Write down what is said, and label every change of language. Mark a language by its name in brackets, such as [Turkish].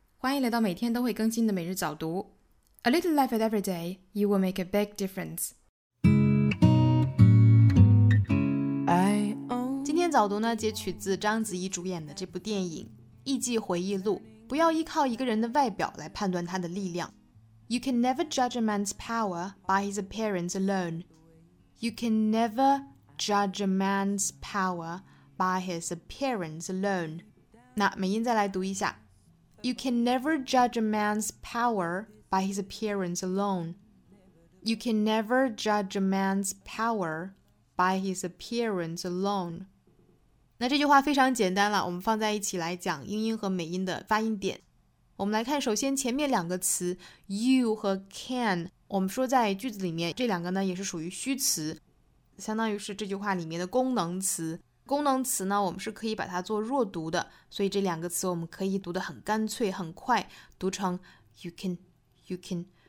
[Chinese] 欢迎来到每天都会更新的每日早读。 [English] A little life at every day, you will make a big difference. [Chinese] 今天早读呢，截取自章子怡主演的这部电影《艺伎回忆录》。不要依靠一个人的外表来判断他的力量。 [English] You can never judge a man's power by his appearance alone. You can never judge a man's power by his appearance alone. [Chinese] 那美音再来读一下 [English] You can never judge a man's power by his appearance alone. You can never judge a man's power by his appearance alone. [Chinese] 那这句话非常简单了，我们放在一起来讲英音和美音的发音点。我们来看，首先前面两个词 you 和 can， 我们说在句子里面，这两个呢也是属于虚词，相当于是这句话里面的功能词。功能词呢，我们是可以把它做弱读的，所以这两个词我们可以读得很干脆很快，读成 you can